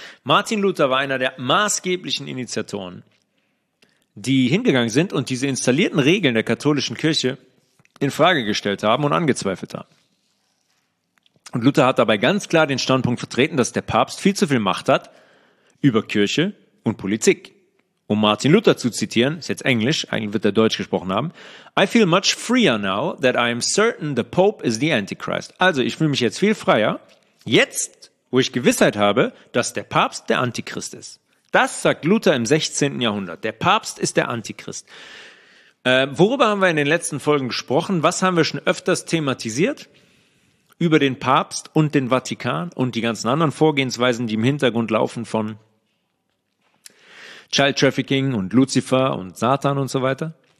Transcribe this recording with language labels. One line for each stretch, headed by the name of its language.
German: Martin Luther war einer der maßgeblichen Initiatoren, die hingegangen sind und diese installierten Regeln der katholischen Kirche in Frage gestellt haben und angezweifelt haben. Und Luther hat dabei ganz klar den Standpunkt vertreten, dass der Papst viel zu viel Macht hat über Kirche und Politik. Um Martin Luther zu zitieren, ist jetzt Englisch, eigentlich wird er Deutsch gesprochen haben.
English: I feel much freer now that I am certain the Pope is the Antichrist.
German: Also ich fühle mich jetzt viel freier, jetzt wo ich Gewissheit habe, dass der Papst der Antichrist ist. Das sagt Luther im 16. Jahrhundert. Der Papst ist der Antichrist. Worüber haben wir in den letzten Folgen gesprochen? Was haben wir schon öfters thematisiert? Über den Papst und den Vatikan und die ganzen anderen Vorgehensweisen, die im Hintergrund laufen von Child Trafficking und Lucifer und Satan und so weiter.